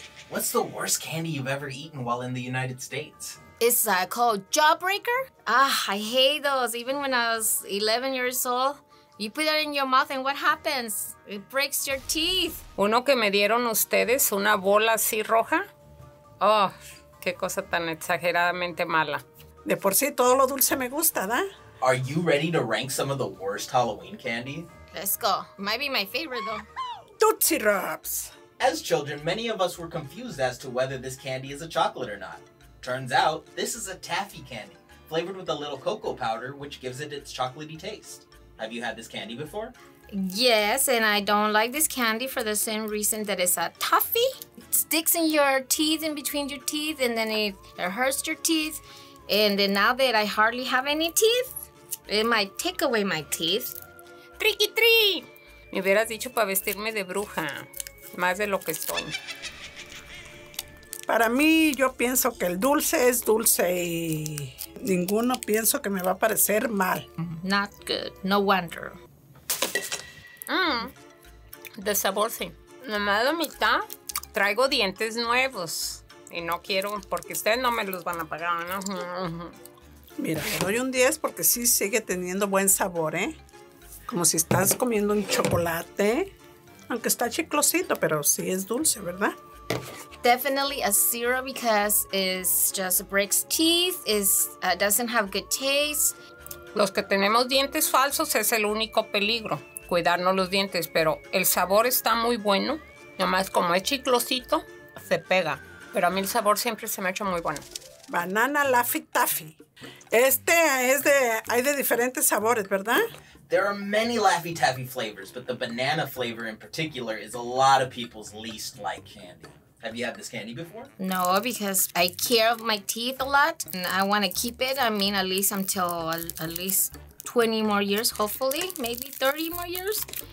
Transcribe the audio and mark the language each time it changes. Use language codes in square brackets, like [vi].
[en] What's the worst candy you've ever eaten while in the United States? It's called Jawbreaker. I hate those. Even when I was 11 years old, you put that in your mouth and what happens? It breaks your teeth. [es] Uno que me dieron ustedes, una bola así roja. Oh, qué cosa tan exageradamente mala. De por sí, todo lo dulce me gusta, ¿da? [en] Are you ready to rank some of the worst Halloween candy? Let's go. Might be my favorite, though. Tootsie Rops. As children, many of us were confused as to whether this candy is a chocolate or not. Turns out, this is a taffy candy, flavored with a little cocoa powder, which gives it its chocolatey taste. Have you had this candy before? Yes, and I don't like this candy for the same reason that it's a taffy. It sticks in your teeth, in between your teeth, and then it hurts your teeth. And then now that I hardly have any teeth, it might take away my teeth. Tricky treat! [es] Me hubieras dicho para vestirme de bruja, más de lo que soy. Para mí, yo pienso que el dulce es dulce y ninguno pienso que me va a parecer mal. [en] Not good, no wonder. [es] De sabor, sí. Nomás la mitad, traigo dientes nuevos y no quiero, porque ustedes no me los van a pagar. ¿No? Mira, le doy un 10 porque sí sigue teniendo buen sabor, ¿eh? Como si estás comiendo un chocolate, aunque está chiclosito, pero sí es dulce, ¿verdad? [en] Definitely a zero because it just breaks teeth, doesn't have good taste. [es] Los que tenemos dientes falsos es el único peligro, cuidarnos los dientes, pero el sabor está muy bueno. Nomás como es chiclosito, se pega, pero a mí el sabor siempre se me ha hecho muy bueno. Banana Laffy Taffy. Este es de, hay de diferentes sabores, ¿verdad? [en] There are many Laffy Taffy flavors, but the banana flavor in particular is a lot of people's least liked candy. Have you had this candy before? No, because I care of my teeth a lot, and I want to keep it, I mean, at least until at least 20 more years, hopefully, maybe 30 more years.